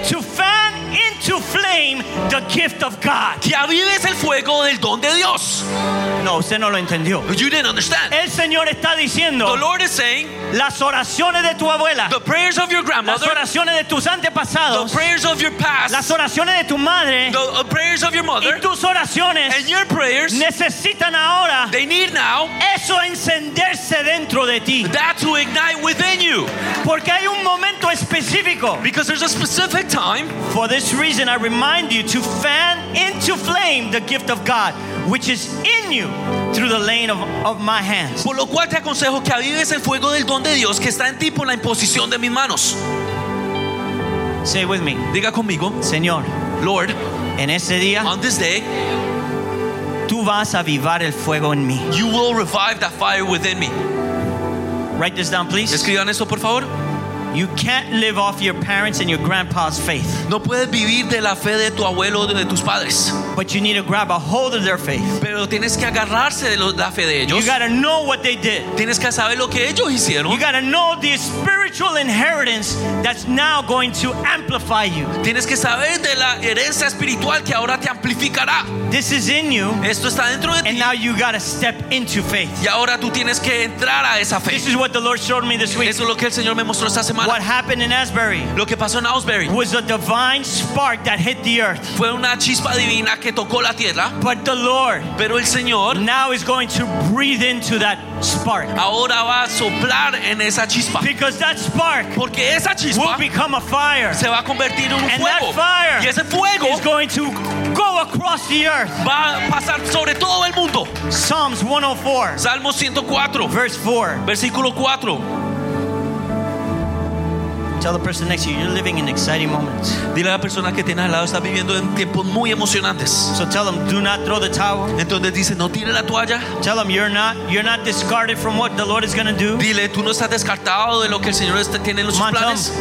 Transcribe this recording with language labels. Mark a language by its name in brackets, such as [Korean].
[English] to fan into flame the gift of God. [Spanish] Que avives el fuego del don de Dios. No, usted no lo entendió. [English] You didn't understand. [Spanish] El Señor está diciendo, [English] the Lord is saying, [Spanish] las oraciones de tu abuela, [English] the prayers of your grandmother, [Spanish] las oraciones de tus antepasados, [English] the prayers of your past, [Spanish] las oraciones de tu madre, [English] the prayers of your mother, [Spanish] y tus oraciones, [English] and your prayers, [Spanish] necesitan ahora, [English] they need now, [Spanish] eso encenderse dentro de ti, [English] that to ignite within you, [Spanish] porque hay un momento específico, [English] because there's a specific time. For this reason I remind you to fan into flame the gift of God which is in you through the laying of my hands. [Spanish] Por lo cual te aconsejo que avives el fuego del don de Dios que está en ti por la imposición de mis manos. [English] Say with me. [Spanish] Diga conmigo. Señor, [English] Lord, [Spanish] en este día, [English] on this day, [Spanish] tú vas a avivar el fuego en mí. [English] You will revive that fire within me. Write this down, please. [Spanish] Escriban esto, por favor. [English] You can't live off your parents and your grandpa's faith. [Spanish] No puedes vivir de la fe de tu abuelo o de tus padres. [English] But you need to grab a hold of their faith. [Spanish] Pero tienes que agarrarse de la fe de ellos. [English] You gotta know what they did. [Spanish] Tienes que saber lo que ellos hicieron. [English] You gotta know the spiritual inheritance that's now going to amplify you. [Spanish] Tienes que saber de la herencia espiritual que ahora te amplificará. [English] This is in you. [Spanish] Esto está dentro de ti. [English] And now you gotta step into faith. [Spanish] Y ahora tú tienes que entrar a esa fe. [English] This is what the Lord showed me this week. [Spanish] Eso es lo que el Señor me mostró esta semana. [English] What happened in Asbury? [Spanish] Lo que pasó en Asbury [English] was a divine spark that hit the earth. [Spanish] Fue una chispa divina que tocó la tierra. [English] But the Lord, [Spanish] pero el Señor, [English] now is going to breathe into that spark. [Spanish] Ahora va a soplar en esa chispa. [English] Because that spark, [Spanish] porque esa chispa, [English] will become a fire. [Spanish] Se va a convertir en un [English] and [Spanish] fuego. [English] And that fire, [Spanish] y ese fuego, [English] is going to go across the earth. [Spanish] Va a pasar sobre todo el mundo. [English] Psalms 104. [Spanish] Salmo 104. [English] Verse 4. [Spanish] Versículo 4. [English] Tell the person next to you, you're living in exciting moments. [Spanish] Dile a la persona que tienes al lado, está viviendo en tiempos muy emocionantes. [English] So tell them, do not throw the towel. [Spanish] Entonces dice, no tire la toalla. [English] Tell them, you're not discarded from what the Lord is going to do. [Spanish] Dile, tú no estás descartado de lo que el Señor tiene en sus planes.